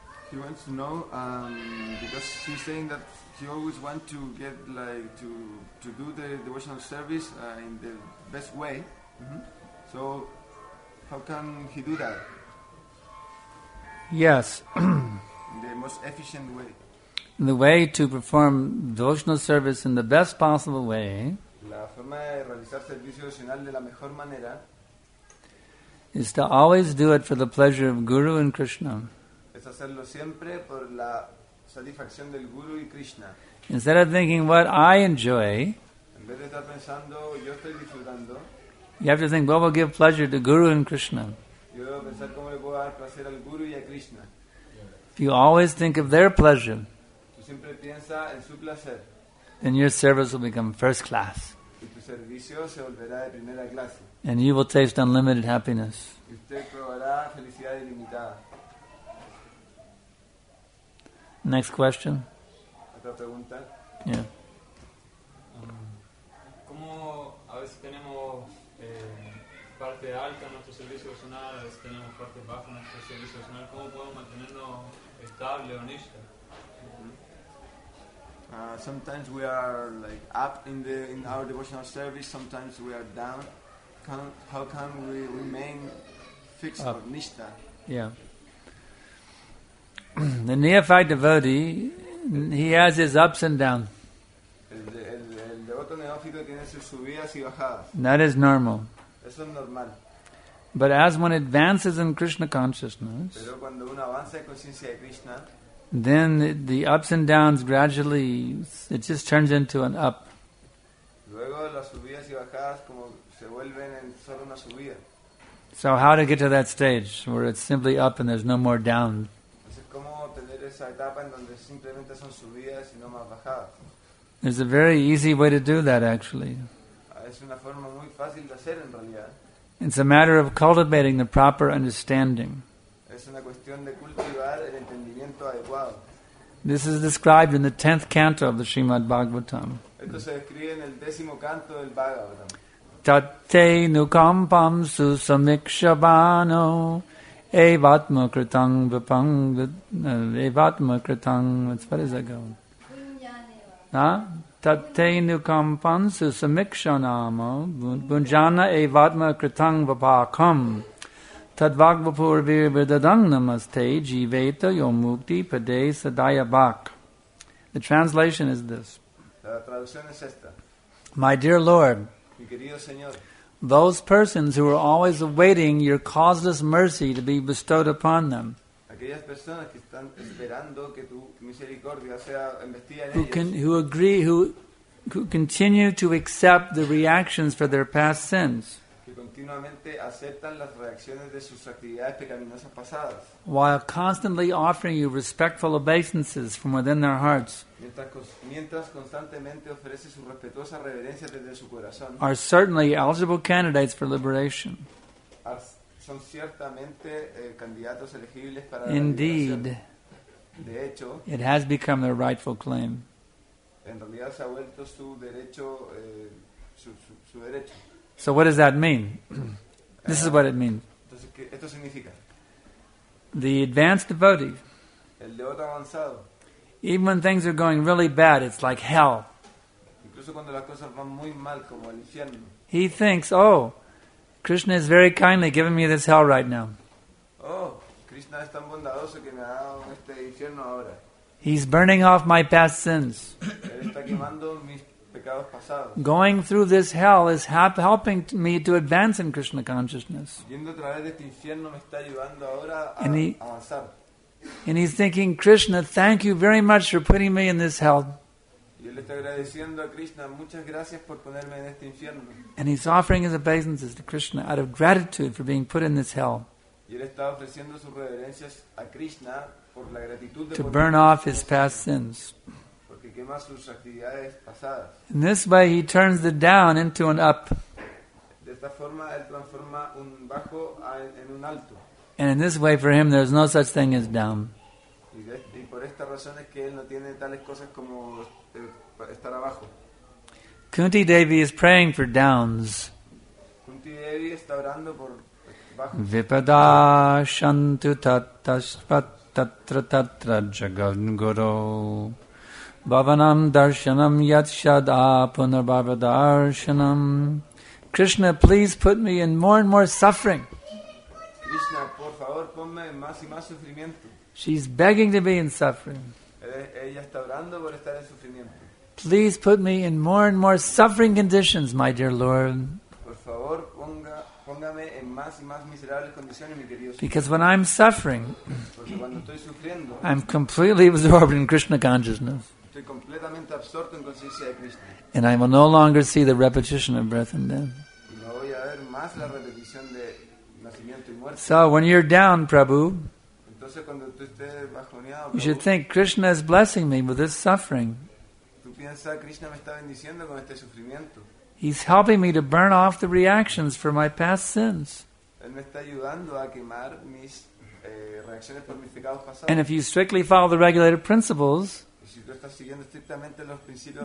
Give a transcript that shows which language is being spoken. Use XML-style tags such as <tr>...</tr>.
<en>he wants to know because he's saying that he always wants to get like to do the devotional service in the best way. Mm-hmm. So how can he do that? Yes. In the most efficient way. The way to perform devotional service in the best possible way,</en> <es>la forma de realizar servicio devocional de la mejor manera,</es> <en>is to always do it for the pleasure of Guru and Krishna.</en> <es>Es hacerlo siempre por la satisfacción del Guru y Krishna.</es> <en>Instead of thinking what I enjoy,</en> <es>en vez de estar pensando, yo estoy disfrutando,</es> <en>you have to think what will give pleasure to Guru and Krishna.</en> <es>Yo debo pensar cómo le puedo dar placer al Guru y a Krishna.</es> <en>If you always think of their pleasure,</en> <es>siempre piensa en su placer,</es> <en>then your service will become first class.</en> <es>Y tu servicio se volverá de primera clase.</es> <en>And you will taste unlimited happiness.</en> <es>Y usted probará felicidad ilimitada.</es> <en>Next question.</en> <es>¿Otra pregunta?</es> <en>Yeah.</en> <es>¿Cómo a veces tenemos parte alta en nuestro servicio personal, a veces tenemos parte baja en nuestro servicio personal? ¿Cómo podemos mantenernos estable o nishta?</es> <en>Sometimes we are like up in our devotional service. Sometimes we are down. How can we remain fixed up, or nishta? Yeah. The neophyte devotee, he has his ups and downs.</en> <es>El devoto neófito tiene sus subidas y bajadas.</es> <en>That is normal.</en> <es>Eso es normal.</es> <en>But as one advances in Krishna consciousness,</en> <es>pero cuando uno avanza en conciencia de Krishna,</es> <en>then the ups and downs gradually, it just turns into an up.</en> <es>Luego, las subidas y bajadas como se vuelven en solo una subida.</es> <en>So how to get to that stage where it's simply up and there's no more down?</en> <es>Entonces, ¿cómo tener esa etapa en donde simplemente son subidas y no más bajadas?</es> <en>There's a very easy way to do that, actually.</en> <es>Es una forma muy fácil de hacer, en realidad.</es> <en>It's a matter of cultivating the proper understanding.</en> <es>Es una cuestión de cultivar el entendimiento adecuado.</es> <en>This is described in the 10th canto of the Srimad Bhagavatam.</en> <es>Esto se describe en el décimo canto del Bhagavatam.</es> <sa>Tate nukampam su samikshabano evatma kritang vipang evatma kritang.</sa> <en>What's, what is that going?</en> <sa>Tate nukampam su samikshanamo bunjana evatma kritang vipakam tadvagvapur virvidadang namaste jiveta yomukti pade sadaya bak.</sa> <en>The translation is this.</en> <es>La traducción es esta.</es> <en>My dear Lord,</en> <es>mi querido Señor,</es> <en>those persons who are always awaiting your causeless mercy to be bestowed upon them,</en> <es>aquellas personas que están esperando que tu misericordia sea embestida en</es> <en>who</en> <es>ellos,</es> <en>who continue to accept the reactions for their past sins,</en> <es>que continuamente aceptan las reacciones de sus actividades pecaminosas pasadas,</es> <en>while constantly offering you respectful obeisances from within their hearts,</en> <es>mientras constantemente ofrece su respetuosa reverencia desde su corazón,</es> <en>are certainly eligible candidates for liberation.</en> <es>Son ciertamente candidatos elegibles para</es> <en>indeed,</en> <es>la liberación. De hecho,</es> <en>it has become their rightful claim.</en> <es>En realidad se ha vuelto su derecho, su derecho.</es> <en>So what does that mean? This is what it means.</en> <es>Entonces, ¿qué esto significa?</es> <en>The advanced devotee,</en> <es>el devoto avanzado,</es> <en>even when things are going really bad, it's like hell.</en> <es>Incluso cuando las cosas van muy mal, como el infierno.</es> <en>He thinks, oh, Krishna is very kindly giving me this hell right now.</en> <es>Oh, Krishna es tan bondadoso que me ha dado este infierno ahora.</es> <en>He's burning off my past sins.</en> <es>Él está quemando mis pecados pasados.</es> <en>Going through this hell is helping me to advance in Krishna consciousness.</en> <es>Yendo a través de este infierno me está ayudando ahora a avanzar.</es> <en>And he's thinking, Krishna, thank you very much for putting me in this hell.</en> <es>Y él está agradeciendo a Krishna, muchas gracias por ponerme en este infierno.</es> <en>And he's offering his obeisances to Krishna out of gratitude for being put in this hell.</en> <es>Y él está ofreciendo sus reverencias a Krishna por la gratitud de</es> <en>to burn off his past sins.</en> <es>Porque quema sus actividades pasadas.</es> <en>In this way he turns the down into an up.</en> <es>De esta forma él transforma un bajo en un alto.</es> <en>And in this way, for him, there's no such thing as down.</en> <es>Y por esta razón es que él no tiene tales cosas como estar abajo.</es> <en>Kunti Devi is praying for downs.</en> <es>Kunti Devi está orando por bajos.</es> <sa>Vipada shantu tatasvatatra tatra jagadguru bhavanam darshanam yat shada punarbhavadarshanam.</sa> <en>Krishna, please put me in more and more suffering.</en> <es>Krishna, por favor, ponme más y más sufrimiento.</es> <en>She's begging to be in suffering.</en> <es>Ella está orando por estar en sufrimiento.</es> <en>Please put me in more and more suffering conditions, my dear Lord.</en> <es>Por favor, póngame en más y más miserables condiciones, mi querido Señor.</es> <en>Because when I'm suffering,</en> <es>porque cuando estoy sufriendo,</es> <en>I'm completely absorbed in Krishna consciousness.</en> <es>Estoy completamente absorto en conciencia de Krishna.</es> <en>And I will no longer see the repetition of birth and death.</en> <es>No voy a ver más la repetición de.</es> <en>So when you're down, Prabhu,</en> <es>entonces, cuando tú estés bajoneado,</es> <en>you should think Krishna is blessing me with this suffering.</en> <es>Tú piensa, Krishna me está bendiciendo con este sufrimiento.</es> <en>He's helping me to burn off the reactions for my past sins.</en> <es>Él me está ayudando a quemar mis reacciones por mis pecados pasados.</es> <en>And if you strictly follow the regulated principles,</en> <es>si tú estás siguiendo estrictamente los principios,</es>